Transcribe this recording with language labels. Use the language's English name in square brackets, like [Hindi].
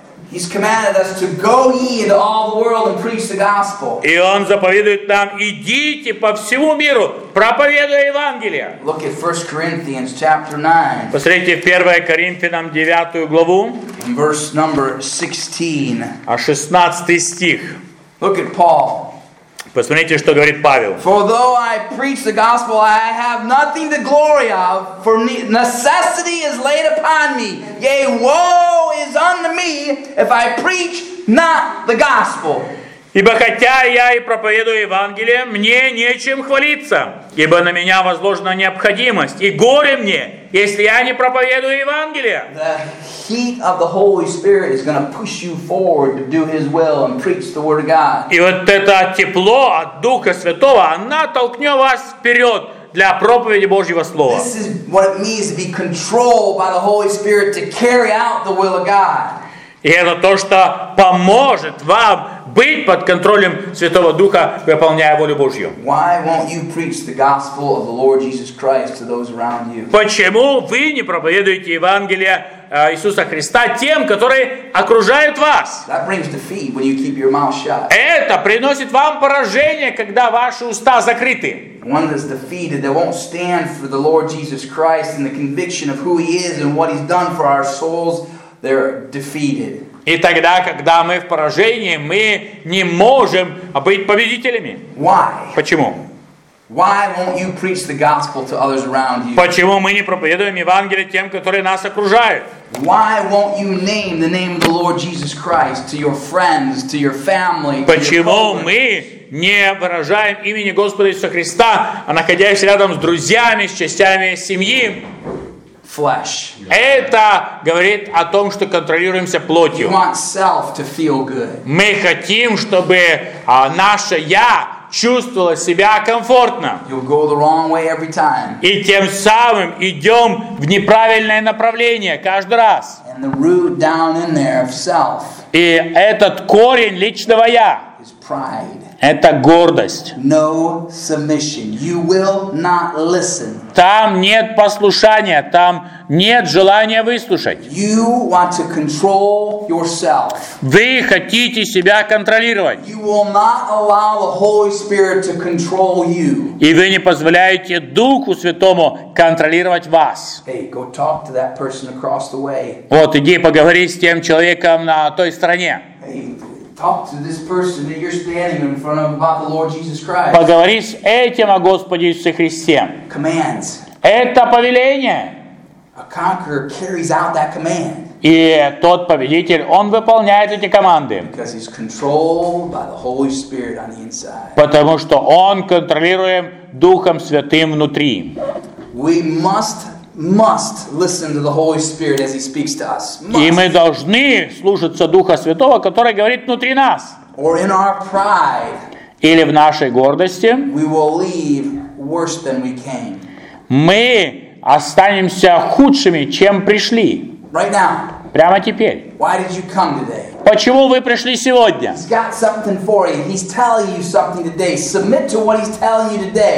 [English] He's commanded us to go ye into all the world and preach the gospel. [Russian] И он заповедует нам: идите по всему миру, проповедуя Евангелие. [English] Look at 1 Corinthians chapter 9. [Russian] Посмотрите 1 Коринфянам 9 главу. [English] Verse number 16. [Russian] А 16 стих. [English] Look at Paul. [Russian] Посмотрите, что говорит Павел. [English] For though I preach the gospel, I have nothing to glory of, for necessity is laid upon me. Yea, woe is unto me if I preach not the gospel. [Russian] Ибо хотя я и проповедую Евангелие, мне нечем хвалиться, ибо на меня возложена необходимость, и горе мне, если я не проповедую Евангелие. [English] The heat of the Holy Spirit is going to push you forward to do His will and preach the Word of God. [Russian] И вот это тепло от Духа Святого, она толкнет вас вперед для проповеди Божьего Слова. [English] This is what it means to be controlled by the Holy Spirit to carry out the will of God. [Russian] И это то, что поможет вам быть под контролем Святого Духа, выполняя волю Божью. [English] Why won't you preach the gospel of the Lord Jesus Christ to those around you? [Russian] Почему вы не проповедуете Евангелие Иисуса Христа тем, которые окружают вас? [English] That brings defeat when you keep your mouth shut. [Russian] Это приносит вам поражение, когда ваши уста закрыты. [English] One that's defeated, that won't stand for the Lord Jesus Christ and the conviction of who He is and what He's done for our souls, they're defeated. [Russian] И тогда, когда мы в поражении, мы не можем быть победителями. [English] Why? [Russian] Почему? [English] Why won't you preach the gospel to others around you? [Russian] Почему мы не проповедуем Евангелие тем, которые нас окружают? [English] Why won't you name the name of the Lord Jesus Christ to your friends, to your family? [Russian] Почему мы не выражаем имени Господа Иисуса Христа, находясь рядом с друзьями, с частями семьи? [English] Flesh. [Russian] Это говорит о том, что контролируемся плотью. [English] You want self to feel good. [Russian] Мы хотим, чтобы наше «я» чувствовало себя комфортно. [English] You'll go the wrong way every time. [Russian] И тем самым идем в неправильное направление каждый раз. [English] And the root down in there of self. [Russian] И этот корень личного «я» [English] is pride. [Russian] Это гордость. [English] No submission. You will not listen. [Russian] Там нет послушания, там нет желания выслушать. [English] You want to control yourself. [Russian] Вы хотите себя контролировать. [English] You will not allow the Holy Spirit to control you. [Russian] И вы не позволяете Духу Святому контролировать вас. [English] Hey, go talk to that person across the way. [Russian] Вот, иди поговори с тем человеком на той стороне. [English] Talk to this person that you're standing in front of about the Lord Jesus Christ. [Russian] Поговори с этим о Господе Иисусе Христе. [English] Commands. [Russian] Это повеление. [English] A conqueror carries out that command. [Russian] И тот победитель, он выполняет эти команды. [English] Because he's controlled by the Holy Spirit on the inside. [Russian] Потому что он контролируем Духом Святым внутри. [English] We must listen to the Holy Spirit as he speaks to us. [Russian] И мы должны слушаться Духа Святого, который говорит внутри нас. [English] Or in our pride. [Russian] Или в нашей гордости. [English] We will leave worse than we came. [Russian] Мы останемся худшими, чем пришли. [English] Right now. [Russian] Прямо теперь. [English] Why did you come today? [Russian] Почему вы пришли сегодня? [English] He's got something for you. He's telling you something today. Submit to what he's telling you today.